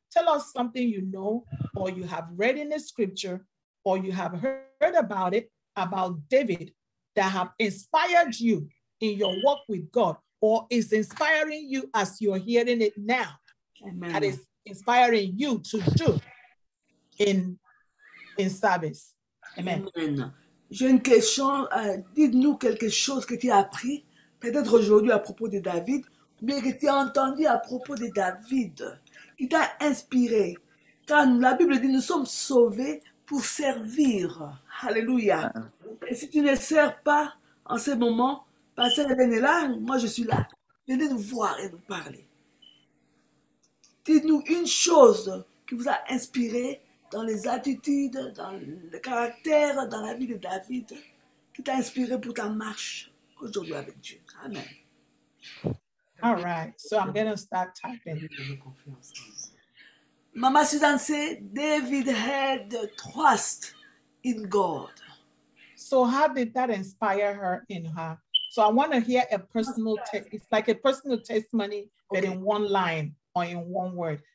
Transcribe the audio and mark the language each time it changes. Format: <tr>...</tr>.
<en>Tell us something you know, or you have read in the scripture, or you have heard about it, about David, that have inspired you in your walk with God, or is inspiring you as you're hearing it now. Amen. That is inspiring you to do in service. Amen.</en> <fr>Amen. J'ai une question. Dites-nous quelque chose que tu as appris, peut-être aujourd'hui à propos de David, mais que tu as entendu à propos de David, qui t'a inspiré. Car la Bible dit, nous sommes sauvés pour servir. Alléluia. Et si tu ne sers pas en ce moment, parce que l'année là, moi je suis là. Venez nous voir et nous parler. Dites-nous une chose qui vous a inspiré dans les attitudes, dans le caractère, dans la vie de David, qui t'a inspiré pour ta marche aujourd'hui avec Dieu. Amen.</fr> <en>All right, so I'm going to start typing. Mama Susan said, David had the trust in God. So how did that inspire her in her? So I want to hear a personal, it's like a personal testimony, but okay, in one line or in one word.</en>